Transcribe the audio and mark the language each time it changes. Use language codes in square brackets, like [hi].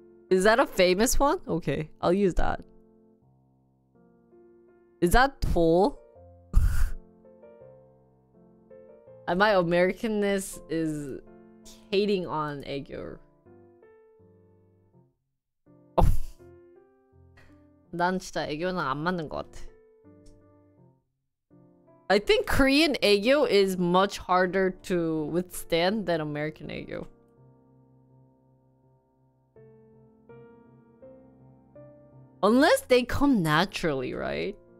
[en] Is that a famous one? Okay, I'll use that. Is that tall? And my Americanness is hating on egg work. Oh. [ko] 난 진짜 애교는 안 맞는 것 같아. [en] I think Korean aegyo is much harder to withstand than American aegyo. Unless they come naturally, right?